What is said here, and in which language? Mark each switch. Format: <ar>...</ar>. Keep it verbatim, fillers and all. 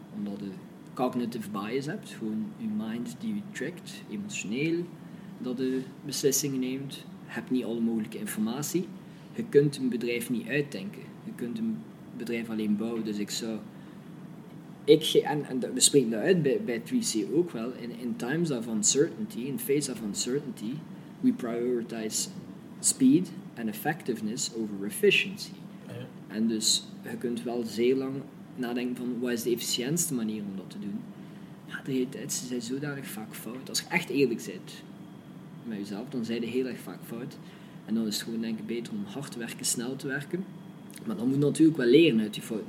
<nl>Omdat je cognitive bias hebt, gewoon je mind die je trickt, emotioneel, dat je beslissingen neemt. Je hebt niet alle mogelijke informatie. Je kunt een bedrijf niet uitdenken. Je kunt een bedrijf alleen bouwen. Dus ik zou... Ik ge- en, en we spreken dat uit bij, bij drie C ook wel.</nl> <en>In, in times of uncertainty, in face of uncertainty, we prioritize speed en effectiveness over efficiency.</en> <nl>Ja. En dus je kunt wel zeer lang nadenken van wat is de efficiëntste manier om dat te doen. Maar de realiteiten zijn zodanig vaak fout. Als je echt eerlijk bent met jezelf, dan zijn je heel erg vaak fout. En dan is het gewoon, denk ik, beter om hard te werken, snel te werken. Maar dan moet je natuurlijk wel leren uit die fouten.</nl>